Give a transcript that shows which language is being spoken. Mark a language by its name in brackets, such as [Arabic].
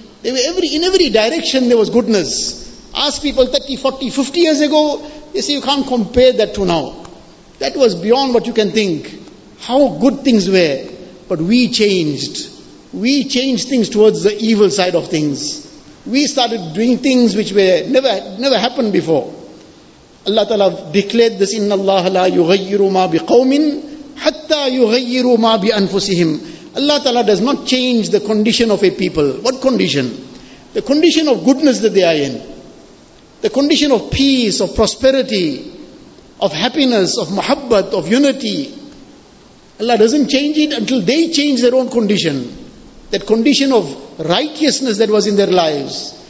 [English] There were in every direction, there was goodness. Ask people 30, 40, 50 years ago, they say you can't compare that to now. That was beyond what you can think. How good things were. But we changed. We changed things towards the evil side of things. We started doing things which were never happened before. Allah Ta'ala declared this, [Arabic] إِنَّ اللَّهَ لَا يُغَيِّرُ مَا بِقَوْمٍ حَتَّى يُغَيِّرُ مَا بِأَنفُسِهِمْ. [English] Allah Ta'ala does not change the condition of a people. What condition? The condition of goodness that they are in. The condition of peace, of prosperity, of happiness, of muhabbat, of unity. Allah doesn't change it until they change their own condition. That condition of righteousness that was in their lives.